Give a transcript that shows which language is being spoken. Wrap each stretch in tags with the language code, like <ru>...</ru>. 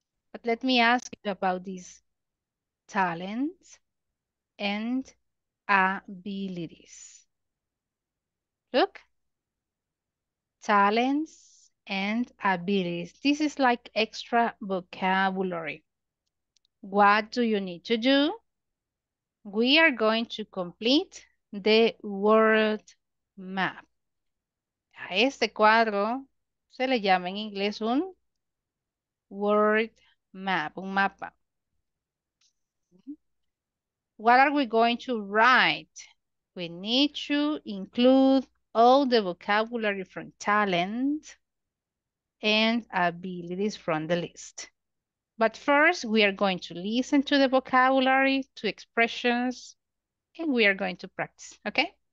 <en>But let me ask you about these talents and abilities. Look, talents and abilities. This is like extra vocabulary. What do you need to do? We are going to complete the world map.</en> <es>A este cuadro se le llama en inglés un world map, un mapa.</es> <en>What are we going to write? We need to include all the vocabulary from talent and abilities from the list. But first, we are going to listen to the vocabulary, to expressions, and we are going to practice, okay?</en>